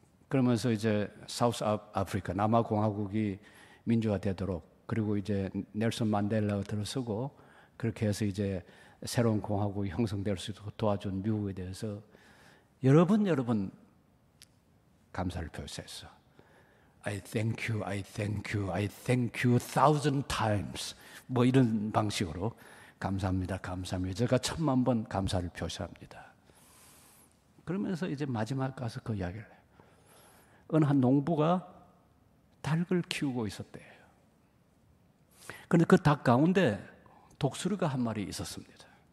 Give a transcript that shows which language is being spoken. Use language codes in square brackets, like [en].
[ko] 그러면서 이제 사우스 아프리카 남아공화국이 민주화되도록, 그리고 이제 넬슨 만델라가 들어서고 그렇게 해서 이제 새로운 공화국이 형성될 수 있도록 도와준 미국에 대해서 여러 번 감사를 표시했어. [en] I thank you thousand times. [ko] 뭐 이런 방식으로 감사합니다, 감사합니다. 제가 천만 번 감사를 표시합니다. 그러면서 이제 마지막 가서 그 이야기를 해요. 어느 한 농부가 닭을 키우고 있었대요. 그런데 그 닭 가운데 독수리가 한 마리 있었습니다.